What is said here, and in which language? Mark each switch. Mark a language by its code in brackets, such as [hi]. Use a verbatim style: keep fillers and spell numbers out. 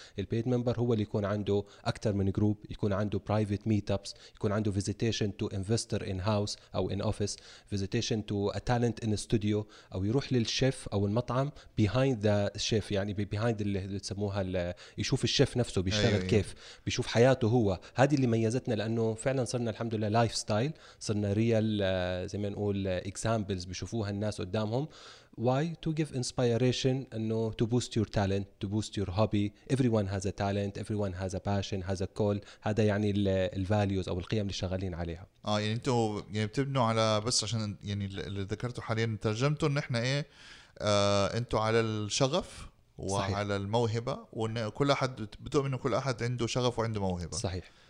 [ar] البيد ممبر هو اللي يكون عنده أكتر من جروب، يكون عنده [en] private meetups، [ar] يكون عنده [en] visitation to investor in house [ar] أو [en] in office، visitation to a talent in a studio، [ar] أو يروح للشيف أو المطعم [en] behind the chef، [ar] يعني behind اللي تسموها، يشوف الشيف نفسه بيشتغل أيوة كيف، بيشوف حياته هو. هذه اللي ميزتنا، لأنه فعلا صرنا الحمد لله لايف ستايل، صرنا ريال زي ما نقول examples بيشوفوها الناس قدامهم. [en] Why? To give inspiration, no, to boost your talent, to boost your hobby. Everyone has a talent, everyone has a passion, has a call. [ar] هذا يعني ال values أو القيم اللي شغالين عليها. آه يعني أنتوا يعني بتبنوا على، بس عشان يعني اللي ذكرته حاليا ترجمته إن إحنا إيه آه أنتوا على الشغف وعلى صحيح. الموهبة، وإن كل أحد بتؤمن إن كل أحد عنده شغف وعنده موهبة. صحيح.